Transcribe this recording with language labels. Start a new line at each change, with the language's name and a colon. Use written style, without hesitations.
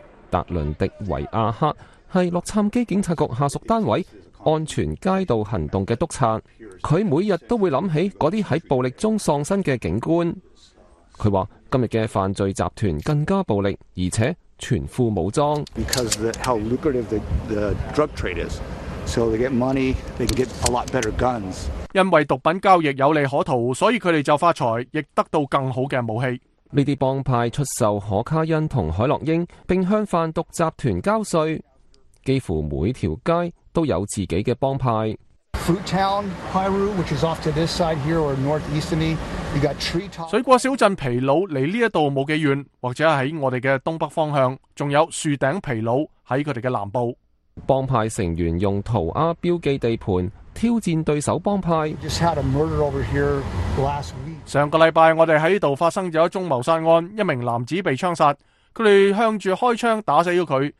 Cantonese: 达伦迪维亚克是洛杉矶警察局下属单位安全街道行动的督察，他每日都会想起那些在暴力中丧生的警官。他说今日的犯罪集团更加暴力，而且全副武装。
English: Because of how lucrative the drug trade is. So they get money, they can get a lot better guns.
Cantonese: 因为毒品交易有利可图，所以他们就发财，亦得到更好的武器。这些帮派出售可卡因和海洛因，并向贩毒集团交税。几乎每条街都有自己的帮派。
English: Fruit Town, Piru, which is off to this side here or northeast of me, you got Tree Top.
Cantonese: 水果小镇皮鲁离这里没几远，或者在我们的东北方向，还有树顶皮鲁在他们的南部。帮派成员用涂鸦标记地盘挑战对手帮派。上个礼拜我们在这里发生了一宗谋杀案，一名男子被枪杀，他们向着开枪打死了他。